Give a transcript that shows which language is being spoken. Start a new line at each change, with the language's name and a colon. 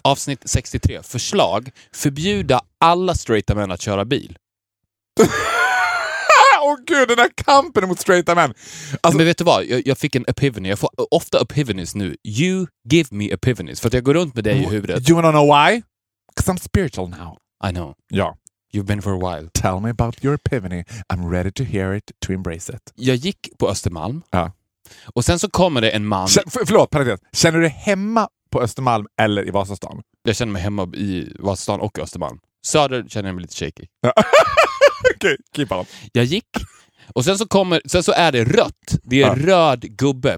Swedish: Avsnitt 63. Förslag. Förbjuda alla straighta män att köra bil. Åh gud, den här kampen mot straighta män. Alltså, men vet du vad? Jag fick en epiphany. Jag får ofta epiphanies nu.
English: You give me epiphanies.
Swedish: För att jag går runt med dig i huvudet.
English: Do you wanna know why? Because I'm spiritual now. I know.
Swedish: Ja.
English: You've been for a while. Tell me about your epiphany. I'm ready to hear it, to embrace it.
Swedish: Jag gick på Östermalm. Ja. Och sen så kommer det en man. Förlåt, parentes. Känner du dig hemma på Östermalm eller i Vasastan? Jag känner mig hemma i Vasastan och Östermalm. Söder känner jag mig lite shaky. Ja. Okej, okay,
English: keep on.
Swedish: Jag gick. Och sen så är det rött. Det är röd gubbe.